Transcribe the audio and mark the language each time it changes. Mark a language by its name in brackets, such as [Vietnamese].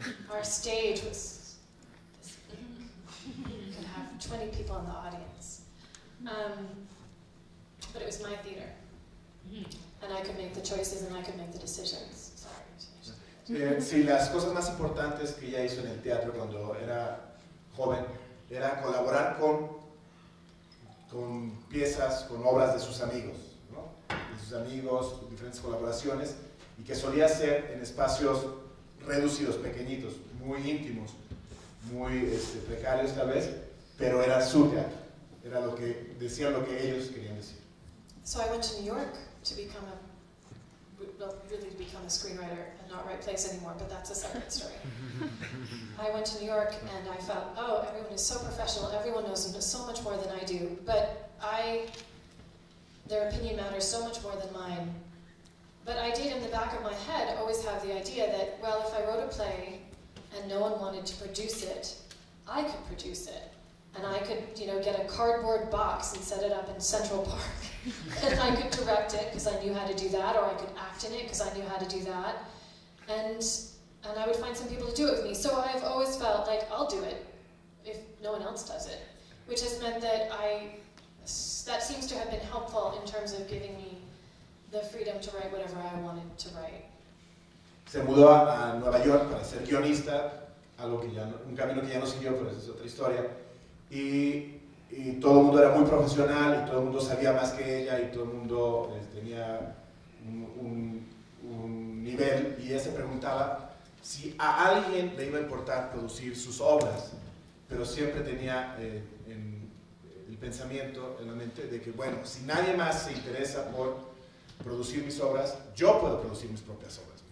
[English] Our stage was this big. You could have 20 people in the audience. But it was my theater. And I could make the choices and I could make the decisions. Sorry. [Spanish] Sí, las cosas más importantes que ella hizo en el teatro cuando era joven era colaborar con piezas, con obras de sus amigos, ¿no? De sus amigos, diferentes colaboraciones, y que solía ser en espacios reducidos, pequeñitos, muy íntimos, muy precarios tal vez, pero era su teatro, era lo que decían, lo que ellos querían decir. [English] So I went to New York to become a screenwriter and not write plays anymore, but that's a separate story. I went to New York and I felt, oh, everyone is so professional, everyone knows so much more than I do, but their opinion matters so much more than mine. But I did, in the back of my head, always have the idea that, well, if I wrote a play and no one wanted to produce it, I could produce it. And I could, you know, get a cardboard box and set it up in Central Park. And I could direct it because I knew how to do that, or I could act in it because I knew how to do that. And I would find some people to do it with me. So I've always felt like I'll do it if no one else does it. Which has meant that that seems to have been helpful in terms of giving me the freedom to write whatever I wanted to write. [Spanish] Se mudó a Nueva York para ser guionista, algo que ya no, un camino que ya no siguió, pero es otra historia. Y todo el mundo era muy profesional y todo el mundo sabía más que ella y todo el mundo tenía un nivel, y ella se preguntaba si a alguien le iba a importar producir sus obras, pero siempre tenía en el pensamiento, en la mente, de que bueno, si nadie más se interesa por producir mis obras, yo puedo producir mis propias obras.